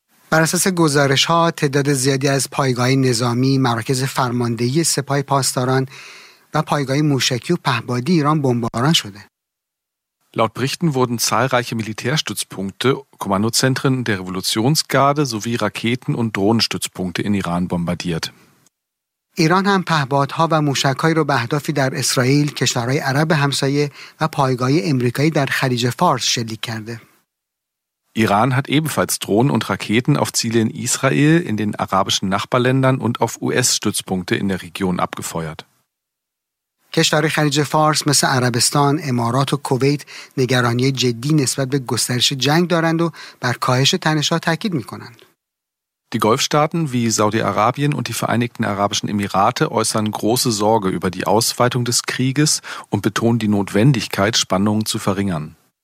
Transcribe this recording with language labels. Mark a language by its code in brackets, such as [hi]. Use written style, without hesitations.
[fa] بر اساس گزارش‌ها تعداد زیادی از پایگاه‌های نظامی، مراکز فرماندهی سپاه پاسداران و پایگاه موشکی و پهپادی ایران بمباران شده. [de] Laut Berichten wurden zahlreiche Militärstützpunkte, Kommandozentren der Revolutionsgarde sowie Raketen- und Drohnenstützpunkte in Iran bombardiert. [fa] ایران هم پهپادها و موشک‌های را به اهدافی در اسرائیل، کشورهای عرب همسایه و پایگاه‌های آمریکایی در خلیج فارس شلیک کرده. [de] ایران hat ebenfalls Drohnen und Raketen auf Ziele in Israel, in den arabischen Nachbarländern und auf US-Stützpunkte in der Region abgefeuert. [fa] کشورهای خلیج فارس مثل عربستان، امارات و کویت نگرانی جدی نسبت به گسترش جنگ دارند و بر کاهش تنش‌ها تاکید می‌کنند. [de] Die Golfstaaten wie Saudi-Arabien und die Vereinigten Arabischen Emirate äußern große Sorge über die Ausweitung des Krieges und betonen die Notwendigkeit, Spannungen zu verringern.